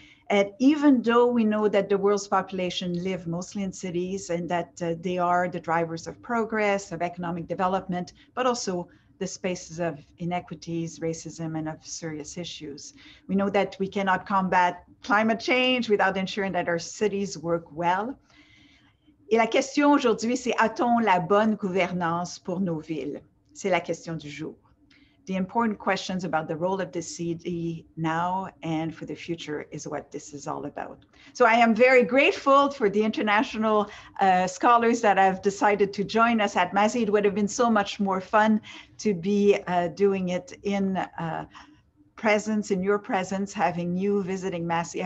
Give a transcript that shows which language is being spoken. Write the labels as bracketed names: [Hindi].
[English] And even though we know that the world's population live mostly in cities and that they are the drivers of progress, of economic development, but also the spaces of inequities, racism, and of serious issues. We know that we cannot combat climate change without ensuring that our cities work well. [French] Et la question aujourd'hui, c'est a-t-on la bonne gouvernance pour nos villes? C'est la question du jour. [English] The important questions about the role of the city now and for the future is what this is all about. So I am very grateful for the international scholars that have decided to join us at Massey. It would have been so much more fun to be doing it in presence, in your presence, having you visiting Massey.